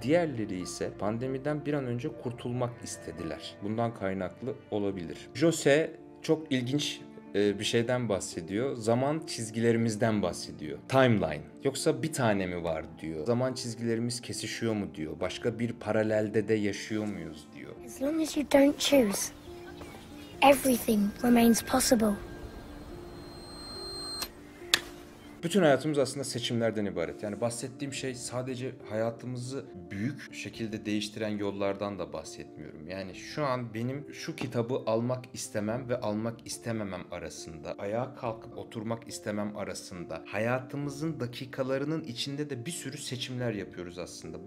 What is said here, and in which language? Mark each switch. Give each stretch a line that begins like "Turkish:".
Turkish: Diğerleri ise pandemiden bir an önce kurtulmak istediler. Bundan kaynaklı olabilir. Jose çok ilginç bir şeyden bahsediyor. Zaman çizgilerimizden bahsediyor. Timeline. Yoksa bir tane mi var diyor. Zaman çizgilerimiz kesişiyor mu diyor. Başka bir paralelde de yaşıyor muyuz diyor.
English: As long as you don't choose, everything remains possible.
Turkish: Bütün hayatımız aslında seçimlerden ibaret. Yani bahsettiğim şey sadece hayatımızı büyük şekilde değiştiren yollardan da bahsetmiyorum. Yani şu an benim şu kitabı almak istemem ve almak istememem arasında, ayağa kalkıp oturmak istemem arasında, hayatımızın dakikalarının içinde de bir sürü seçimler yapıyoruz aslında.